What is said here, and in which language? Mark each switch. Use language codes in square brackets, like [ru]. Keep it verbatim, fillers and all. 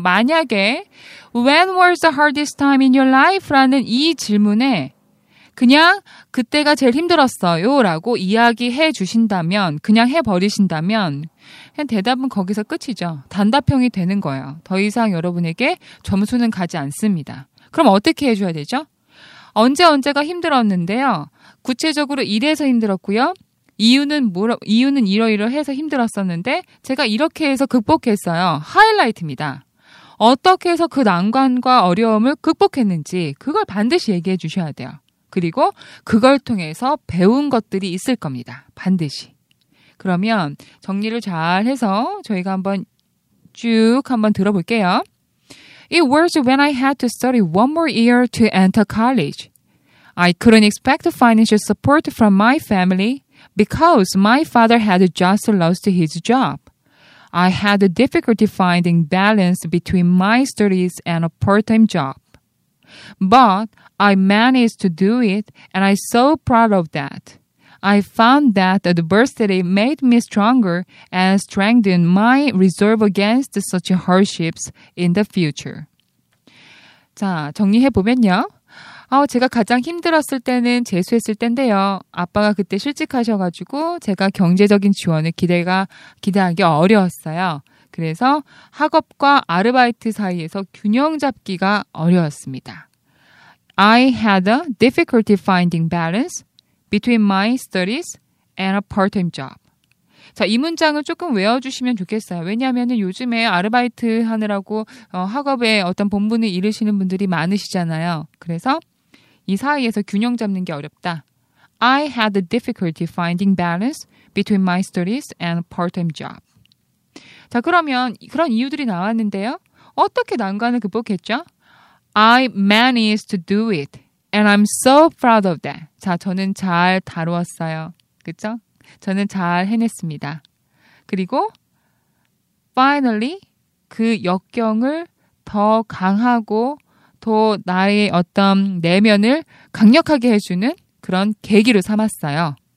[ko] 만약에, [en] When was the hardest time in your life? [ko] 라는 이 질문에 그냥 그때가 제일 힘들었어요 라고 이야기해 주신다면 그냥 해버리신다면 그냥 대답은 거기서 끝이죠. 단답형이 되는 거예요. 더 이상 여러분에게 점수는 가지 않습니다. 그럼 어떻게 해줘야 되죠? 언제 언제가 힘들었는데요. 구체적으로 이래서 힘들었고요. 이유는 뭐라, 이유는 이러이러해서 힘들었었는데 제가 이렇게 해서 극복했어요. 하이라이트입니다. 어떻게 해서 그 난관과 어려움을 극복했는지 그걸 반드시 얘기해 주셔야 돼요. 그리고 그걸 통해서 배운 것들이 있을 겁니다. 반드시. 그러면 정리를 잘 해서 저희가 한번 쭉 한번 들어볼게요. [en] It was when I had to study one more year to enter college. I couldn't expect financial support from my family because my father had just lost his job. I had difficulty finding balance between my studies and a part-time job. But I managed to do it, and I'm so proud of that. I found that adversity made me stronger and strengthened my resolve against such hardships in the future. [ko] 자, 정리해보면요. 아, 제가 가장 힘들었을 때는 재수했을 때인데요. 아빠가 그때 실직하셔가지고 제가 경제적인 지원을 기대가, 기대하기 어려웠어요. 그래서 학업과 아르바이트 사이에서 균형 잡기가 어려웠습니다. [en] I had a difficulty finding balance between my studies and a part-time job. [ko] 자, 이 문장을 조금 외워주시면 좋겠어요. 왜냐하면 요즘에 아르바이트 하느라고 어, 학업에 어떤 본분을 잃으시는 분들이 많으시잖아요. 그래서 이 사이에서 균형 잡는 게 어렵다. [en] I had a difficulty finding balance between my studies and part-time job. [ko] 자, 그러면 그런 이유들이 나왔는데요. 어떻게 난관을 극복했죠? [en] I managed to do it and I'm so proud of that. [ko] 자, 저는 잘 다루었어요. 그렇죠? 저는 잘 해냈습니다. 그리고 finally 그 역경을 더 강하고 또 나의 어떤 내면을 강력하게 해주는 그런 계기로 삼았어요.